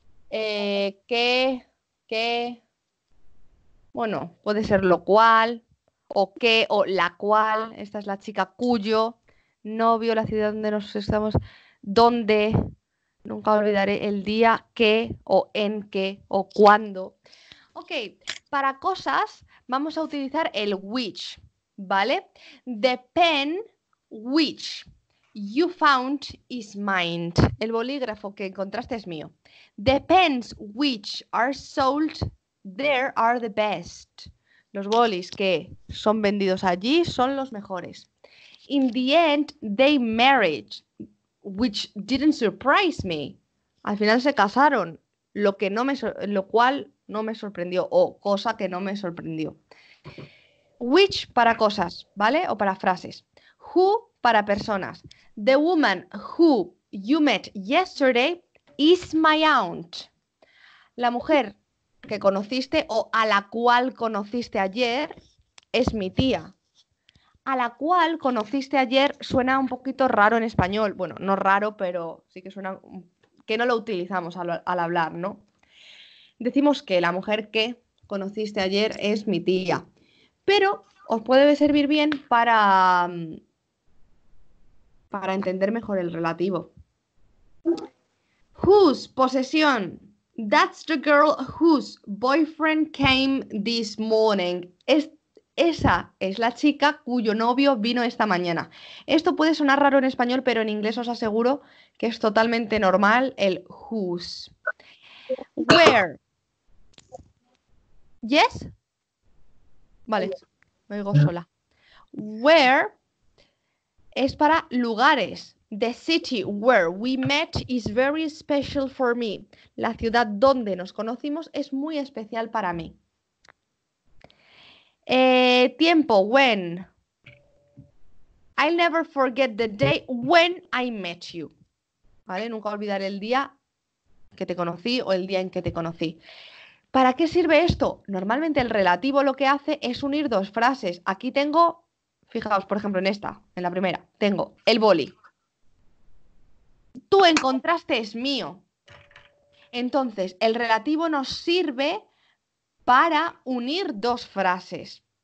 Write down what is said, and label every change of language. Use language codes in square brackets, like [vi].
[es] Que, bueno, puede ser lo cual, o que, o la cual, esta es la chica cuyo, novio, la ciudad donde nos estamos, donde, nunca olvidaré el día, que, o en que, o cuándo. Ok, para cosas vamos a utilizar el which, ¿vale? [en] The pen which you found is mine. [es] El bolígrafo que encontraste es mío. [en] The pens which are sold there are the best. [es] Los bolis que son vendidos allí son los mejores. [en] In the end, they married, which didn't surprise me. [es] Al final se casaron, lo cual no me sorprendió, o cosa que no me sorprendió. Which para cosas, ¿vale? O para frases. Who para personas. [en] The woman who you met yesterday is my aunt. [es] La mujer que conociste o a la cual conociste ayer es mi tía. A la cual conociste ayer suena un poquito raro en español. Bueno, no raro, pero sí que suena que no lo utilizamos al hablar, ¿no? Decimos que la mujer que conociste ayer es mi tía. Pero os puede servir bien para entender mejor el relativo. Whose posesión. [en] That's the girl whose boyfriend came this morning. [es] Esa es la chica cuyo novio vino esta mañana. Esto puede sonar raro en español, pero en inglés os aseguro que es totalmente normal el whose. [en] Where. [es] Yes. Vale, me oigo sola. Where es para lugares. [en] The city where we met is very special for me. [es] La ciudad donde nos conocimos es muy especial para mí. Tiempo, when. [en] I'll never forget the day when I met you. [es] ¿Vale? Nunca olvidaré el día que te conocí o el día en que te conocí. ¿Para qué sirve esto? Normalmente el relativo lo que hace es unir dos frases. Aquí tengo, fijaos, por ejemplo, en esta, en la primera, tengo el boli. Tú encontraste es mío. Entonces, el relativo nos sirve para unir dos frases.